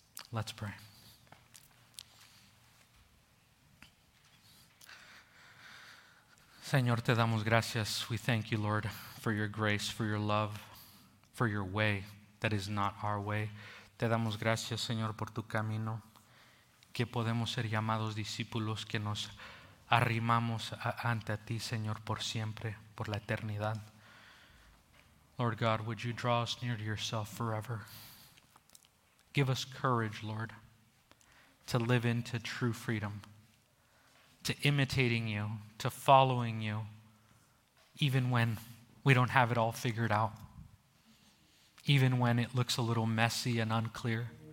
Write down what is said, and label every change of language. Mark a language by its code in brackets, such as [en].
[en] Let's pray. [es] Señor, te damos gracias. [en] We thank you, Lord, for your grace, for your love, for your way that is not our way. [es] Te damos gracias, Señor, por tu camino, que podemos ser llamados discípulos, que nos arrimamos ante a ti, Señor, por siempre, por la eternidad. [en] Lord God, would you draw us near to yourself forever? Give us courage, Lord, to live into true freedom, to imitating you, to following you, even when we don't have it all figured out, even when it looks a little messy and unclear.